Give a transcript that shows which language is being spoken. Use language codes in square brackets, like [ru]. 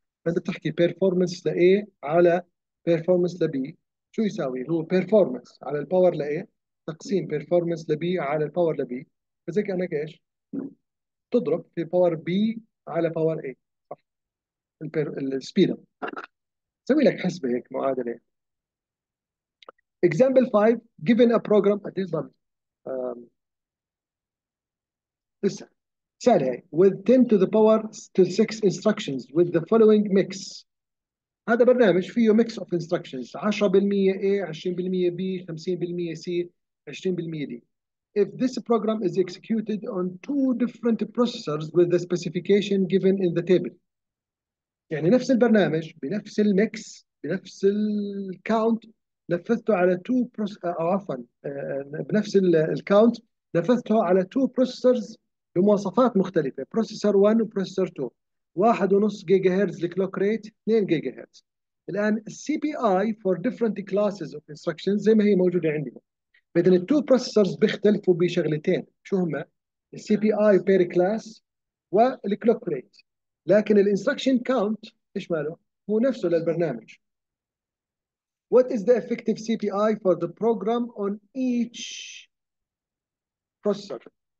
[ar] فأنت بتحكي بيرفورمانس لـ A على بيرفورمانس لـ B، شو يساوي؟ هو بيرفورمانس على الباور لـ A تقسيم بيرفورمانس لـ B على الباور لـ B، فزي كأنك إيش؟ تضرب في باور B على باور A. السبيد اب سوي لك حسبه هيك معادله. [en] example 5 given a program at this level [ar] لسه سهله هي [en] with 10 to the power to 6 instructions with the following mix. [ar] هذا برنامج فيه [en] mix of instructions 10% A 20% B 50% C 20% D. If this program is executed on two different processors with the specification given in the table. [ar] يعني نفس البرنامج بنفس الميكس بنفس الكاونت نفذته على تو بروس او عفوا بنفس الكاونت نفذته على تو بروسيسورز بمواصفات مختلفة، بروسيسور 1 وبروسيسور 2، 1.5 جيجا هرتز الكلوك ريت، 2 جيجا هرتز. الآن السي بي اي فور ديفرنت كلاسز اوف انستراكشنز زي ما هي موجودة عندنا. فإذا التو بروسيسورز بيختلفوا بشغلتين، شو هما؟ السي بي اي بير كلاس والكلوك ريت. لكن الانستراكشن كاونت ايش ماله؟ هو نفسه للبرنامج. [en] What is the effective CPI for the program on each processor?